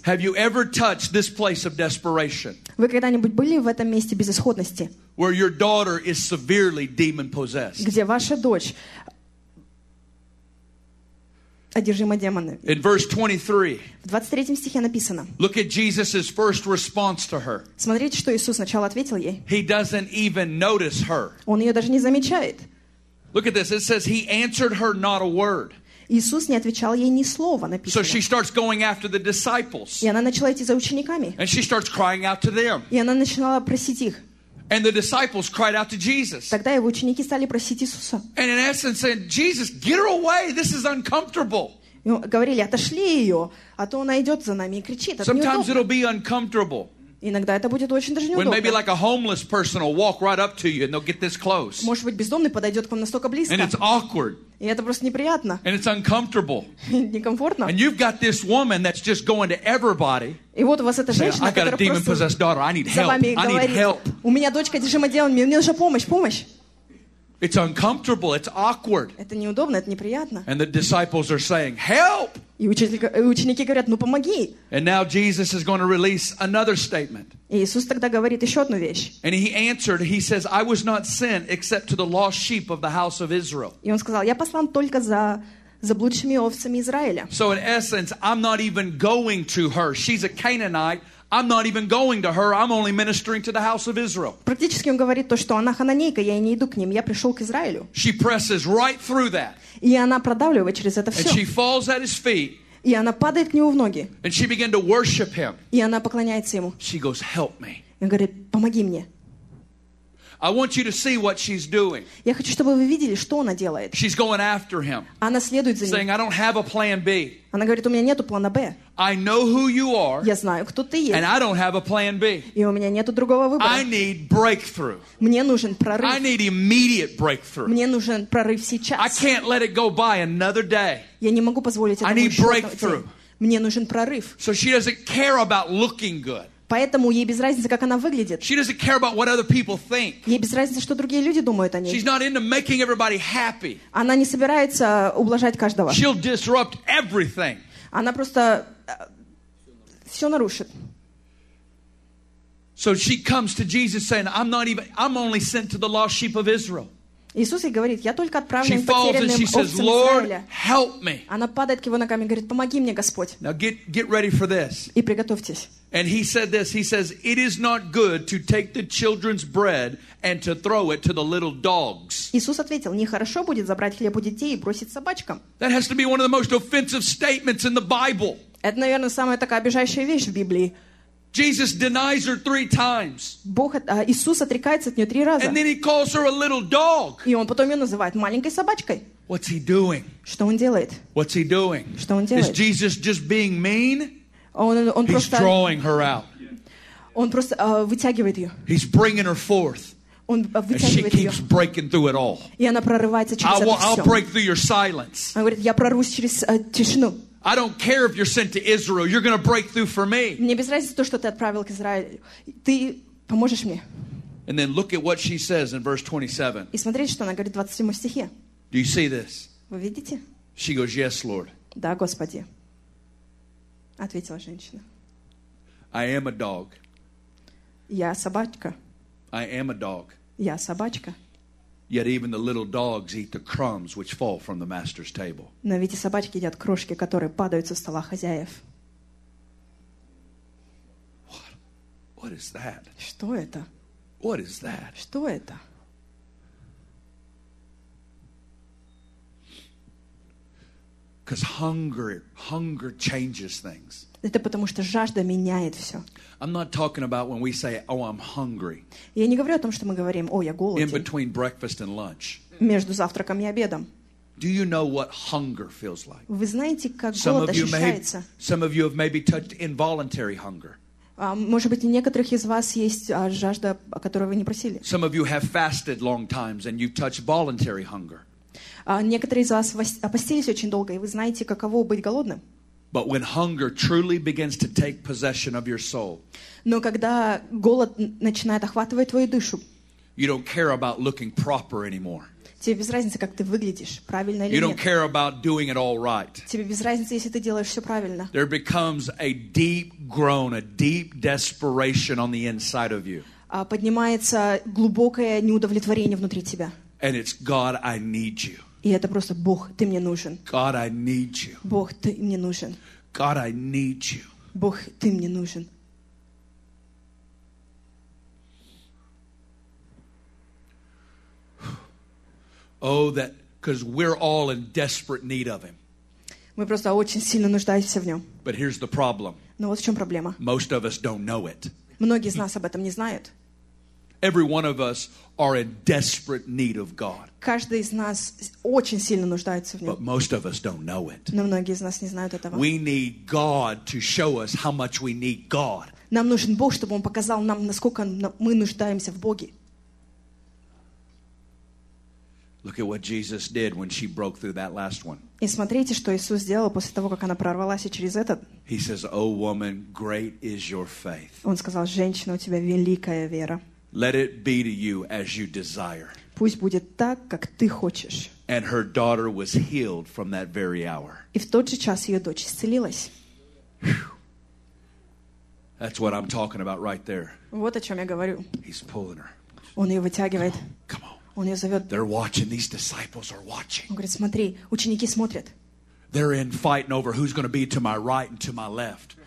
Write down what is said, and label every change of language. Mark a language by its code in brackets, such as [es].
[en] Have you ever touched this place of desperation? [ru] Вы когда-нибудь были в этом месте безысходности? [en] Where your daughter is severely demon possessed? [ru] Где ваша дочь одержима демонами. [en] In verse 23. [ru] В 23 стихе написано. [en] Look at Jesus's first response to her. [ru] Смотрите, что Иисус сначала ответил ей. [en] He doesn't even notice her. [ru] Он ее даже не замечает. [en] Look at this. It says he answered her not a word. [ru] Иисус не отвечал ей ни слова, написано. [en] So she starts going after the disciples. [ru] И она начала идти за учениками. [en] And she starts crying out to them. [ru] И она начинала просить их. [en] And the disciples cried out to Jesus. [ru] Тогда его ученики стали просить Иисуса. [en] And in essence said, Jesus, get her away. This is uncomfortable. [ru] Ну, говорили, отошли ее, а то она идет за нами и кричит. [en] Sometimes it'll be uncomfortable. [ru] Иногда это будет очень даже неудобно. [en] When maybe like a homeless person will walk right up to you and they'll get this close. [ru] Может быть, бездомный подойдет к вам настолько близко. [en] And it's awkward. [ru] И это просто неприятно. [en] And it's uncomfortable. [ru] Некомфортно. [en] And you've got this woman that's just going to everybody. [ru] И вот у вас эта женщина, [en] I got a demon possessed daughter. I need help. I need help. [ru] У меня дочка одержима демонами. Мне нужна помощь, помощь. [en] It's uncomfortable. It's awkward. [ru] Это неудобно, это неприятно. [en] And the disciples are saying, "Help!" [ru] И ученики говорят, ну помоги. [en] And now Jesus is going to release another statement. [ru] И Иисус тогда говорит еще одну вещь. [en] And he answered, he says, "I was not sent except to the lost sheep of the house of Israel." [ru] И он сказал, я послан только за заблудшими овцами Израиля. [en] So in essence, I'm not even going to her. She's a Canaanite. I'm not even going to her. I'm only ministering to the house of Israel. [ru] Практически он говорит то, что она хананейка, я не иду к ним, я пришел к Израилю. [en] She presses right through that. [ru] И она продавливает через это все. [en] And she falls at his feet. [ru] И она падает к нему в ноги. [en] And she began to worship him. [ru] И она поклоняется ему. [en] She goes, "Help me." [ru] И он говорит, помоги мне. [en] I want you to see what she's doing. [ru] Я хочу, чтобы вы видели, что она делает. [en] She's going after him. [ru] Она следует за ним. [en] Saying, "I don't have a plan B." [ru] Она говорит, у меня нету плана Б. [en] I know who you are. [ru] Я знаю, кто ты есть. [en] And I don't have a plan B. [ru] И у меня нету другого выбора. [en] I need breakthrough. [ru] Мне нужен прорыв. [en] I need immediate breakthrough. [ru] Мне нужен прорыв сейчас. [en] I can't let it go by another day. [ru] Я не могу позволить этому [en] I need breakthrough. [ru] Мне нужен прорыв. [en] So she doesn't care about looking good. [ru] Поэтому ей без разницы, как она выглядит. [en] She doesn't care about what other people think. [ru] Ей без разницы, что другие люди думают о ней. [en] She's not into making everybody happy. [ru] Она не собирается ублажать каждого. [en] She'll disrupt everything. [ru] Она просто все нарушит. [en] So she comes to Jesus saying, I'm only sent to the lost sheep of Israel. [ru] Иисус ей говорит, я только отправлен потерянным овцам [en] says, Lord, help me. [ru] Она падает к его ногам и говорит, помоги мне, Господь. [en] Now get ready for this. [ru] И приготовьтесь. [en] And he said this, he says, it is not good to take the children's bread and to throw it to the little dogs. [ru] Иисус ответил, нехорошо будет забрать хлеб у детей и бросить собачкам. [en] That has to be one of the most offensive statements in the Bible. [ru] Это, наверное, самая такая обижающая вещь в Библии. [en] Jesus denies her three times. [ru] Бог, Иисус отрекается от нее три раза. [en] And then he calls her a little dog. [ru] И он потом ее называет маленькой собачкой. [en] What's he doing? [ru] Что он делает? [en] What's he doing? [ru] Что он делает? [en] Is Jesus just being mean? [ru] Он [en] He's [ru] просто... [en] drawing her out. [ru] Он просто вытягивает ее. [en] He's bringing her forth. [ru] Он вытягивает ее. [en] Breaking through it all. [ru] И она прорывается через это все. [en] I'll break through your silence. [ru] Она говорит, я прорвусь через тишину. [en] I don't care if you're sent to Israel. You're going to break through for me. [ru] Мне без разницы то, что ты отправил к Израилю. Ты поможешь мне. [en] And then look at what she says in verse 27. [ru] И смотрите, что она говорит в 27 стихе. [en] Do you see this? [ru] Вы видите? [en] She goes, "Yes, Lord." [ru] Да, Господи. Ответила женщина. [en] I am a dog. [ru] Я собачка. [en] I am a dog. [ru] Я собачка. [en] Yet even the little dogs eat the crumbs which fall from the master's table. [ru] Но ведь и собачки едят крошки, которые падают со стола хозяев. [en] What is that? [ru] Что это? [en] What is that? [ru] Что это? [en] Because hunger changes things. [ru] Это потому что жажда меняет все. [en] I'm not talking about when we say, "Oh, I'm hungry." [ru] Я не говорю о том, что мы говорим, "О, я голоден." [en] In between breakfast and lunch. [ru] Между завтраком и обедом. [en] Do you know what hunger feels like? [ru] Вы знаете, как голод ощущается? [en] Some of you have maybe touched involuntary hunger. [ru] Может быть, у некоторых из вас есть жажда, о которой вы не просили. [en] Some of you have fasted long times and you've touched voluntary hunger. [ru] Некоторые из вас постились очень долго, и вы знаете, каково быть голодным. [en] But when hunger truly begins to take possession of your soul, [ru] но когда голод начинает охватывать твою душу, [en] you don't care about looking proper anymore. [ru] Тебе без разницы, как ты выглядишь, правильно или нет. [en] You don't care about doing it all right. [ru] Тебе без разницы, если ты делаешь все правильно. [en] There becomes a deep groan, a deep desperation on the inside of you. [ru] Поднимается глубокое неудовлетворение внутри тебя. [en] And it's God, I need you. [ru] И это просто Бог, ты мне нужен. [en] God, I need you. [ru] Бог, ты мне нужен. [en] God, I need you. [ru] Бог, ты мне нужен. [en] Oh, that, because we're all in desperate need of Him. [ru] Мы просто очень сильно нуждаемся в Нем. [en] But here's the problem. [ru] Но вот в чем проблема. [en] Most of us don't know it. [ru] Многие из нас об этом не знают. [en] Every one of us are in desperate need of God. [ru] Каждый из нас очень сильно нуждается в нем. [en] But most of us don't know it. [ru] Но многие из нас не знают этого. [en] We need God to show us how much we need God. [ru] Нам нужен Бог, чтобы Он показал нам, насколько мы нуждаемся в Боге. [en] Look at what Jesus did when she broke through that last one. [ru] И смотрите, что Иисус сделал после того, как она прорвалась через этот. [en] He says, "O woman, great is your faith." [ru] Он сказал: "Женщина, у тебя великая вера." [en] Let it be to you as you desire. [ru] Пусть будет так, как ты хочешь. [en] And her daughter was healed from that very hour. [ru] И в тот же час ее дочь исцелилась. [en] That's what I'm talking about right there. [ru] Вот о чем я говорю. [en] He's pulling her. [ru] Он ее вытягивает. [en] Come on. [ru] Он ее зовет. [en] They're watching. These disciples are watching. [ru] Он говорит, смотри, ученики смотрят. [en] They're in fighting over who's going to be to my right and to my left.